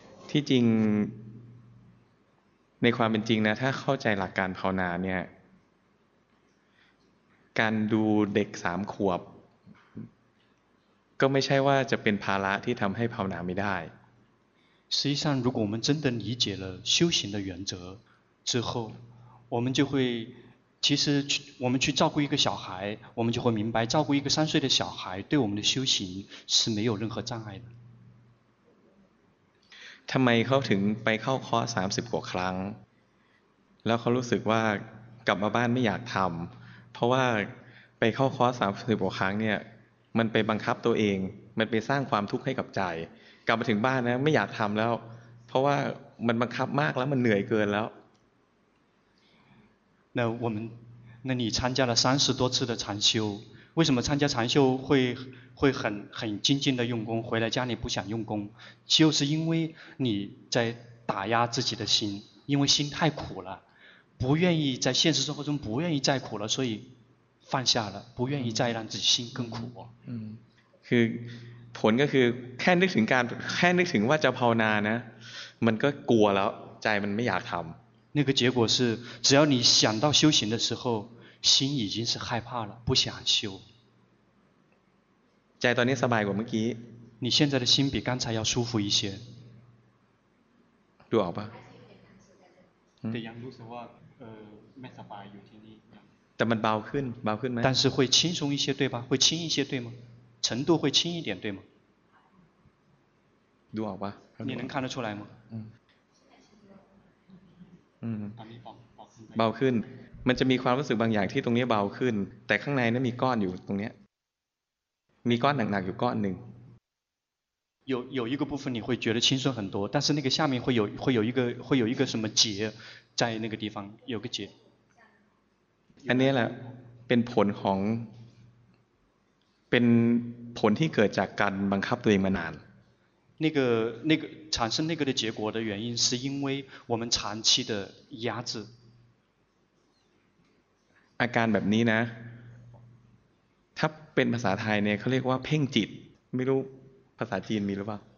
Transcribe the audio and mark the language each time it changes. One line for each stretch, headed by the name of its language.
Thai: ที่จริงในความเป็นจริงนะถ้าเข้าใจหลักการภาวนาเนี่ยการดูเด็ก3 ขวบก็ไม่ใช่ว่าจะเป็นภาระที่ทำให้ภาวนาไม่ได้
Chinese: 实际上如果我们真的理解了修行的原则之后我们就会其实我们去照顾一个小孩我们就会明白照顾一个3岁的小孩对我们的修行是没有任何障碍的
Thai: ทำไมเขาถึงไปเข้าคอร์ส30 กว่าครั้งแล้วเขารู้สึกว่ากลับมาบ้านไม่อยากทำเพราะว่าไปเข้าคอร์ส30 กว่าครั้งเนี่ยมันไปบังคับตัวเองมันไปสร้างความทุกข์ให้กับใจกลับมาถึงบ้านนะไม่อยากทำแล้วเพราะว่ามันบังคับมากแล้วมันเหนื่อยเกินแล้ว นั่นนี่
Chinese: 参加了30多次的禅修为什么参加禅修会很精进的用功回来家里不想用功就是因为你在打压自己的心因为心太苦了不愿意在现实生活中不愿意再苦了所以放下了不愿意再让自己心更苦嗯
Thai: คือผลก็คือแค่นึกถึงการแค่นึกถึงว่าจะภาวนานะมันก็กลัวแล้วใจมันไม่อยากทำ
Chinese: 那个结果是只要你想到修行的时候心已经是害怕了不想修
Thai: ใจตอนนี้สบายกว่าเมื่อกี้
Chinese: 你现在的心比刚才要舒服一些
Thai: ดูออกป่ะ แต่ยังรู้สึกว่าไม่สบายอยู่ที่นี่แต่มันเบาขึ้นเบาขึ้นไหม
Chinese: 但是会轻松一些对吧会轻一些对吗程度会轻一点对吗
Thai: ดูออกป่ะ
Chinese: 你能看得出来吗
Thai: เบาขึ้นมันจะมีความรู้สึกบางอย่างที่ตรงนี้เบาขึ้นแต่ข้างในนั้นมีก้อนอยู่ตรงนี้มีก้อนหนักๆอยู่ก้อนหนึ่ง
Chinese: 有一个部分你会觉得轻松很多但是那个下面会有一个什么结在那个地方有个结
Thai: อันนี้แหละเป็นผลของเป็นผลที่เกิดจากการบังคับตัวเองมานาน
Chinese: 那个产生那个的结果的原因是因为我们长期的压制
Thai: อาการแบบนี้นะถ้าเป็นภาษาไทยเนี่ยเขาเรียกว่าเพ่งจิตไม่รู้ภาษาจีนมีหรือเปล่า